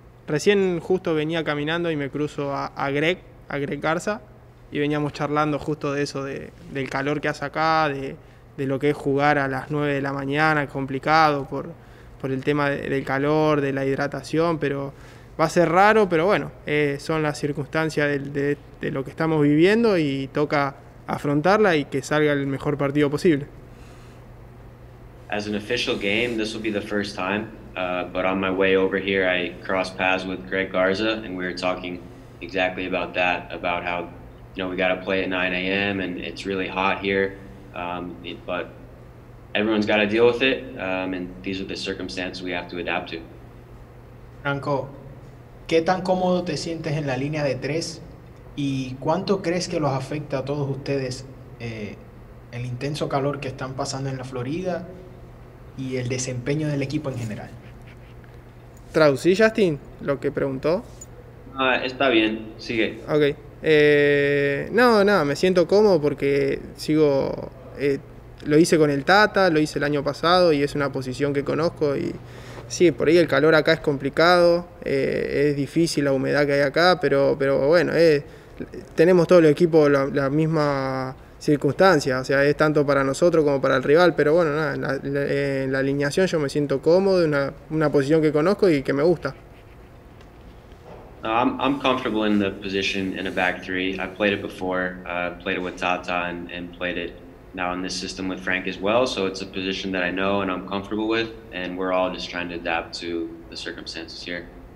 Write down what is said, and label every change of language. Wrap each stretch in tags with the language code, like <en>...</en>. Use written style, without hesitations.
<es>Recién justo venía caminando y me cruzo a Greg Garza, y veníamos charlando justo de eso, del calor que hace acá, de lo que es jugar a las 9 de la mañana, complicado por el tema del calor, de la hidratación, pero va a ser raro, pero bueno, son las circunstancias de lo que estamos viviendo y toca afrontarla y que salga el mejor partido posible.</es> <en>As an official game, this will be the first time. But on my way over here, I crossed paths with Greg Garza, and we were talking exactly about that, about how, we got to play at 9 a.m. and it's really hot here. But everyone's got to deal with it, and these are the circumstances we have to adapt to.</en> <es>Franco, ¿qué tan cómodo te sientes en la línea de tres y cuánto crees que los afecta a todos ustedes el intenso calor que están pasando en la Florida y el desempeño del equipo en general? ¿Traducí, Justin, lo que preguntó? Ah, está bien, sigue. Ok. No, nada, no, me siento cómodo porque sigo. Lo hice con el Tata, lo hice el año pasado y es una posición que conozco. Y sí, por ahí el calor acá es complicado, es difícil la humedad que hay acá, pero bueno, tenemos todo el equipo la misma circunstancia, o sea, es tanto para nosotros como para el rival, pero bueno, nada, en la alineación yo me siento cómodo, una posición que conozco y que me gusta.</es> <en>I'm comfortable in the position in a back three. I played it before, played it with Tata and played it now in this system with Frank as well. So it's a position that I know and I'm comfortable with, and we're all just trying to adapt to the circumstances here.</en>